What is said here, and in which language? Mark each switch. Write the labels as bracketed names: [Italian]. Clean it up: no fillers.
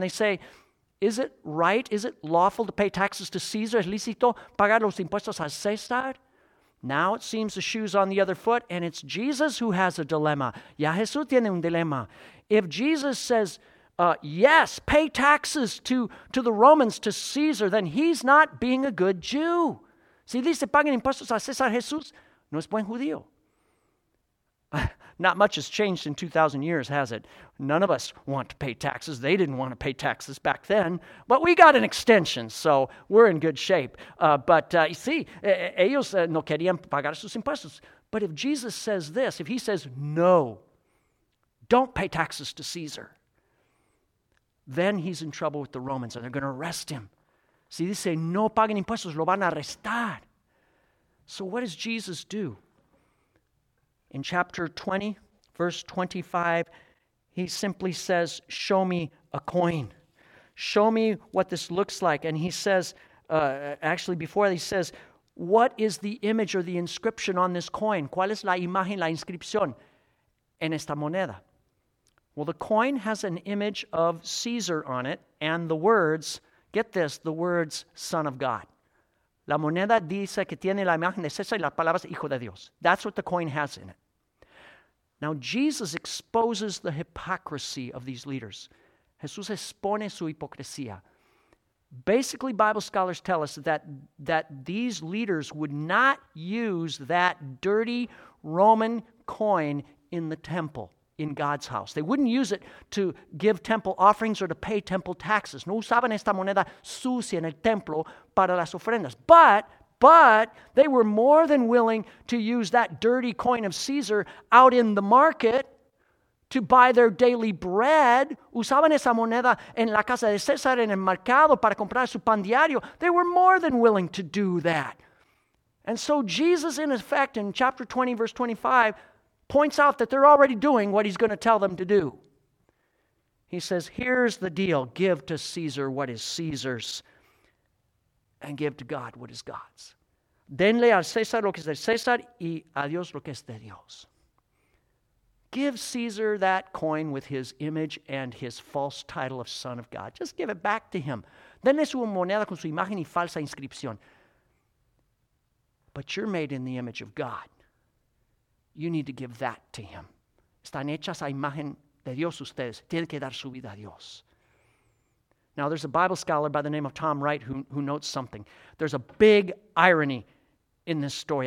[English] They say, is it right? Is it lawful to pay taxes to Caesar? [Spanish] ¿Es lícito pagar los impuestos a César? [English] Now it seems the shoe's on the other foot, and it's Jesus who has a dilemma. [Spanish] Ya Jesús tiene un dilema. [English] If Jesus says, yes, pay taxes to the Romans, to Caesar, then he's not being a good Jew. [Spanish] Si dice paguen impuestos a César, Jesús no es buen judío. [English] Not much has changed in 2,000 years, has it? None of us want to pay taxes. They didn't want to pay taxes back then. But we got an extension, so we're in good shape. [Spanish] Ellos no querían pagar sus impuestos. [English] But if Jesus says this, if he says, no, don't pay taxes to Caesar, then he's in trouble with the Romans, and they're going to arrest him. [Spanish] Si dice, no paguen impuestos, lo van a arrestar. [English] So what does Jesus do? In chapter 20, verse 25, he simply says, show me a coin. Show me what this looks like. And he says, what is the image or the inscription on this coin? [Spanish] ¿Cuál es la imagen, la inscripción en esta moneda? [English] Well, the coin has an image of Caesar on it and the words, get this, the words, Son of God. [Spanish] La moneda dice que tiene la imagen de César y las palabras Hijo de Dios. [English] That's what the coin has in it. Now, Jesus exposes the hypocrisy of these leaders. [Spanish] Jesús expone su hipocresía. [English] Basically, Bible scholars tell us that these leaders would not use that dirty Roman coin in the temple, in God's house. They wouldn't use it to give temple offerings or to pay temple taxes. [Spanish] No usaban esta moneda sucia en el templo para las ofrendas. [English] But they were more than willing to use that dirty coin of Caesar out in the market to buy their daily bread. [Spanish] Usaban esa moneda en la casa de César en el mercado para comprar su pan diario. [English] They were more than willing to do that. And so Jesus, in effect, in chapter 20, verse 25, points out that they're already doing what he's going to tell them to do. He says, here's the deal. Give to Caesar what is Caesar's, and give to God what is God's. [Spanish] Denle al César lo que es de César y a Dios lo que es de Dios. [English] Give Caesar that coin with his image and his false title of Son of God. Just give it back to him. [Spanish] Denle su moneda con su imagen y falsa inscripción. [English] But you're made in the image of God. You need to give that to him. [Spanish] Están hechas a imagen de Dios ustedes. Tienen que dar su vida a Dios. [English] Now, there's a Bible scholar by the name of Tom Wright who notes something. There's a big irony in this story.